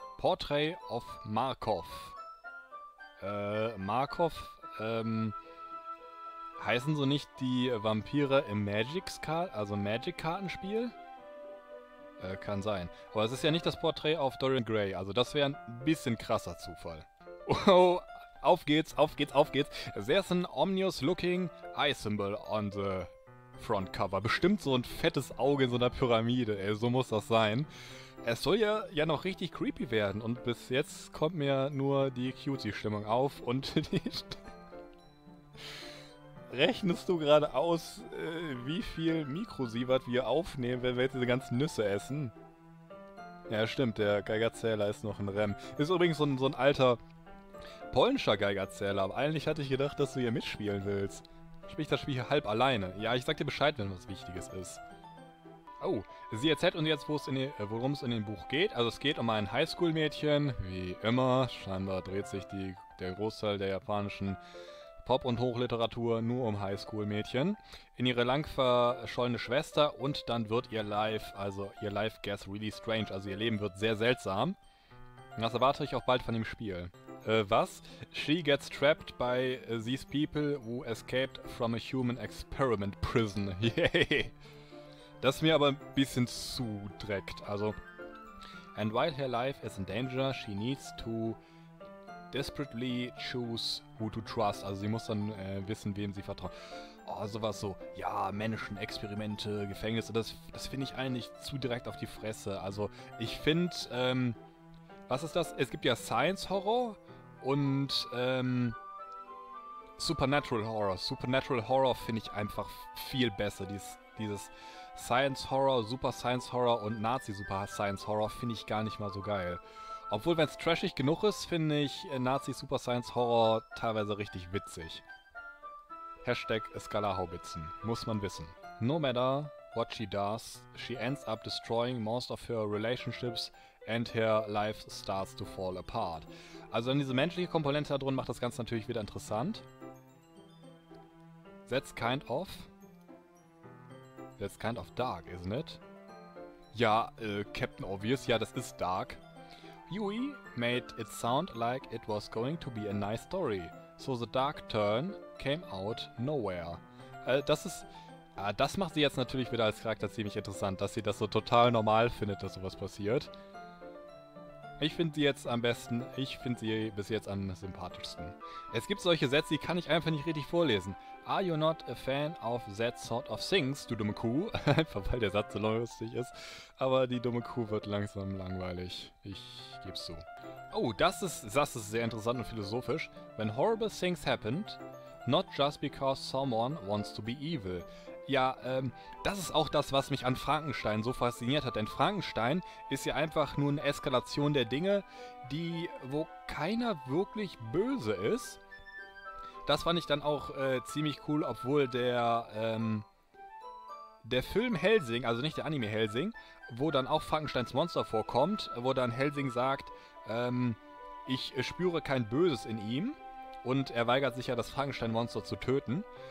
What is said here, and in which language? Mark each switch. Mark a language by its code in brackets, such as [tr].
[de] Portrait of Markov. Markov, heißen so nicht die Vampire im Magic-Kartenspiel? Kann sein. Aber es ist ja nicht das Porträt auf Dorian Gray, also das wäre ein bisschen krasser Zufall. Oh, auf geht's, auf geht's, auf geht's. [en] There's an ominous looking eye symbol on the front cover. [de] Bestimmt so ein fettes Auge in so einer Pyramide, ey, so muss das sein. Es soll ja noch richtig creepy werden und bis jetzt kommt mir nur die Cutie-Stimmung auf und die... Rechnest du gerade aus, wie viel Mikrosievert wir aufnehmen, wenn wir jetzt diese ganzen Nüsse essen? Ja, stimmt, der Geigerzähler ist noch ein REM. Ist übrigens so ein alter polnischer Geigerzähler, aber eigentlich hatte ich gedacht, dass du hier mitspielen willst. Spricht das Spiel hier halb alleine? Ja, ich sag dir Bescheid, wenn was Wichtiges ist. Oh, sie erzählt uns jetzt, worum es in dem Buch geht. Also es geht um ein Highschool-Mädchen, wie immer. Scheinbar dreht sich der Großteil der japanischen Pop- und Hochliteratur nur um Highschool-Mädchen, in ihre lang verschollene Schwester und dann wird ihr Life, also ihr [en] Life gets really strange, [de] also ihr Leben wird sehr seltsam. Das erwarte ich auch bald von dem Spiel. Was? [en] She gets trapped by these people who escaped from a human experiment prison. Yay! [de] Das ist mir aber ein bisschen zu dreckt, also. [en] And while her life is in danger, she needs to desperately choose who to trust. [de] Also sie muss dann wissen, wem sie vertraut. Oh, sowas so. Ja, Menschen, Experimente, Gefängnisse. Das finde ich eigentlich zu direkt auf die Fresse. Also ich finde, was ist das? Es gibt ja Science Horror und Supernatural Horror. Supernatural Horror finde ich einfach viel besser. Dieses Science Horror, Super Science Horror und Nazi Super Science Horror finde ich gar nicht mal so geil. Obwohl, wenn es trashig genug ist, finde ich Nazi-Super-Science-Horror teilweise richtig witzig. Hashtag Skalarhaubitzen. Muss man wissen. [en] No matter what she does, she ends up destroying most of her relationships and her life starts to fall apart. [de] Also dann diese menschliche Komponente da drin macht das Ganze natürlich wieder interessant. [en] That's kind of... That's kind of dark, isn't it? [de] Ja, Captain Obvious, ja, das ist dark. [en] Yui made it sound like it was going to be a nice story, so the dark turn came out nowhere. [de] Das macht sie jetzt natürlich wieder als Charakter ziemlich interessant, dass sie das so total normal findet, dass sowas passiert. Ich finde sie bis jetzt am sympathischsten. Es gibt solche Sätze, die kann ich einfach nicht richtig vorlesen. [en] Are you not a fan of that sort of things, [de] du dumme Kuh? Einfach weil der Satz so lustig ist. Aber die dumme Kuh wird langsam langweilig. Ich geb's zu. Oh, das ist sehr interessant und philosophisch. [en] When horrible things happened, not just because someone wants to be evil. [de] Ja, das ist auch das, was mich an Frankenstein so fasziniert hat. Denn Frankenstein ist ja einfach nur eine Eskalation der Dinge, wo keiner wirklich böse ist. Das fand ich dann auch ziemlich cool, obwohl der Der Film Helsing, also nicht der Anime Helsing, wo dann auch Frankensteins Monster vorkommt, wo dann Helsing sagt, ich spüre kein Böses in ihm und er weigert sich ja, das Frankenstein-Monster zu töten.